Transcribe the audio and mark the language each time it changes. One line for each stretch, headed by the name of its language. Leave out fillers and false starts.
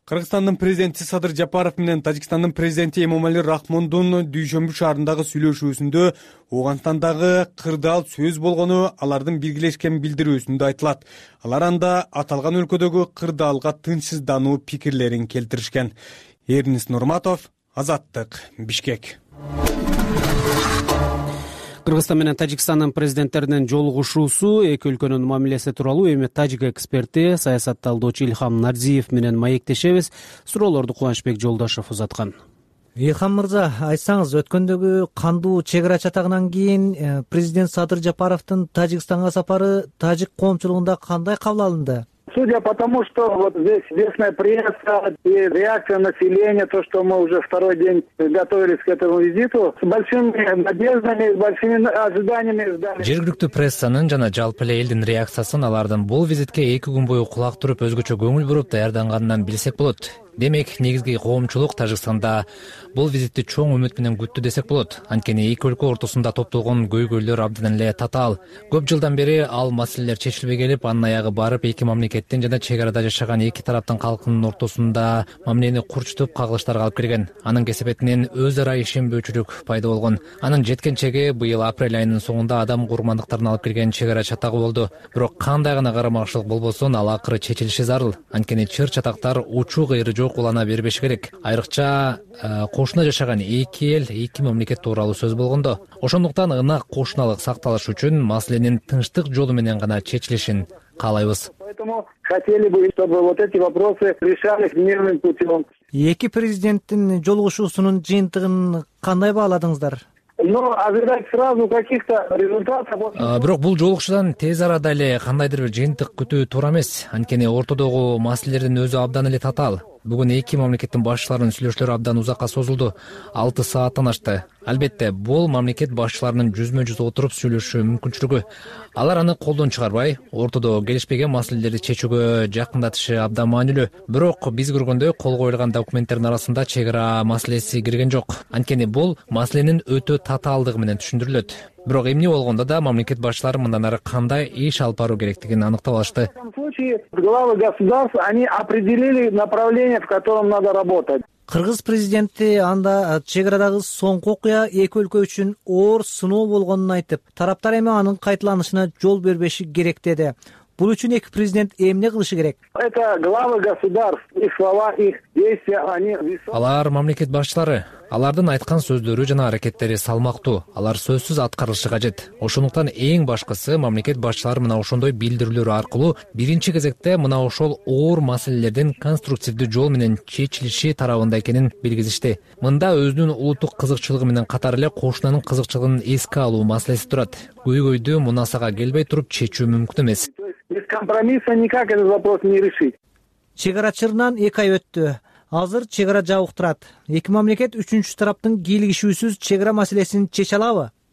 Kyrgyz: Кыргызстандын президенти Садыр Жапаров менен Тажикстандын президенти Эмомали Рахмондун дүйшөмбү шаарындагы сүйлөшүүсүндө Оогандагы кырдаал сөз болгону алардын биргелешкен билдирүүсүндө айтылат. Алар анда аталган өлкөдөгү кырдаалга тынчсыздануу пикирлерин келтиришкен. Эрнис Нурматов, Азаттык, Бишкек. Кыргызстан менен Тажикстандын президенттеринин жолугушуусу, эки өлкөнүн мамилеси тууралуу эми тажик эксперти, саясат талдоочу Ильхам Нарзиев менен маектешебиз. Суроолорду Кубанычбек Жолдошов узаткан. Ильхам мырза, айтсаңыз, өткөндөгү кандуу чек ара чатагынан кийин президент Садыр Жапаровдун Тажикстанга сапары тажик коомчулугунда кандай кабыл алынды?
Russian: Судя по тому, что вот здесь местная пресса и реакция населения, то, что мы уже второй день готовились к этому визиту, с большими надеждами, с большими ожиданиями ждали.
Kyrgyz: Жергиликтүү прессанын жана жалпы эле элдин реакциясын алардын бул визитке эки күн бою кулак туруп, өзгөчө көңүл буруп даярданганынан билсек болот. Демек, негизги коомчулук Тажикстанда бул визитти чоң үмүт менен күттү десек болот. Анткени эки өлкө ортосунда топтолгон көйгөйлөр абдан эле татаал. Көп жылдан бери ал маселелер чечилбей келип, анын аягы барып эки мамлекеттин жана чек арада жашаган эки тараптын калкынын ортосунда мамлени курчутуп кагылыштарга алып келген. Анын кесепетинен өз ара ишенбөөчүлүк пайда болгон. Анын жеткенчеги быйыл апрель айынын соңунда адам курмандыктарын алып келген чек ара чатагы болду. Бирок кандай гана карамакчылык болбосун, ал акыры чечилиши зарыл. Анткени чыр чатактар учуу кыйры жок улана бербеш керек. Айрыкча кошуна жашаган эки эл, эки мамлекет тууралуу сөз болгондо. Ошондуктан ынак кошуналык сакталыш үчүн маселенин тынчтык жолу менен гана чечилишин каалайбыз.
Russian: Хотели бы, чтобы вот эти вопросы решались мирным путем.
Kyrgyz: Эки президенттин жолугушуусунун жыйынтыгын кандай бааладыңыздар? Бирок бул жолугушуудан тез арада эле кандайдыр бир жыйынтык күтүү туура эмес. Анткени ортодогу маселелердин өзү абдан эле татаал. Бүгүн эки мамлекеттин башчыларынын сүйлөшүүлөрү абдан узакка созулду. 6 сааттан ашты. Албетте, бул мамлекет башчыларынын жүзмө-жүз отуруп сүйлөшүү мүмкүнчүлүгү. Алар аны колдон чыгарбай, ортодо келишпеген маселелерди чечүүгө жакындатышы абдан маанилүү. Бирок биз көргөндөй, кол коюлган документтердин арасында чек ара маселеси кирген жок. Анткени бул маселенин өтө татаалдыгы менен түшүндүрүлөт. Бирок эмне болгондо да мамлекет башчылары мындан ары кандай иш алып баруу керектигин аныктап алышты.
Russian: В этом случае главы государств, они определили направление, в котором надо работать.
Kyrgyz: Кыргыз президенти анда чек арадагы соңку окуя эки өлкө үчүн оор сыноо болгонун айтып, тараптар эми анын кайталанышына жол бербеши керек деди. Бул үчүн эки президент эмне кылышы керек?
Russian: Это главы государств, их слова, их действия, они весомы.
Kyrgyz: Алар мамлекет башчылары. Алардын айткан сөздөрү жана аракеттери салмактуу. Алар сөзсүз аткарылышы кажет. Ошондуктан эң башкысы мамлекет башчылары мына ошондой билдирүүлөр аркылуу биринчи кезекте мына ошол оор маселелердин конструктивдүү жол менен чечилиши тарабында экенин билгизишти. Мында өзүнүн улуттук кызыкчылыгы менен катар эле кошунанын кызыкчылыгын эске алуу маселеси турат. Көйгөйдү мунасага келбей туруп чечүү мүмкүн эмес.
Russian: Без компромисса никак этот вопрос не решить.
Kyrgyz: Чек ара чырынан 2 ай өттү. Азыр чек ара жабык турат. Эки мамлекет үчүнчү тараптын кийлигишүүсүз чек ара маселесин чече алабы?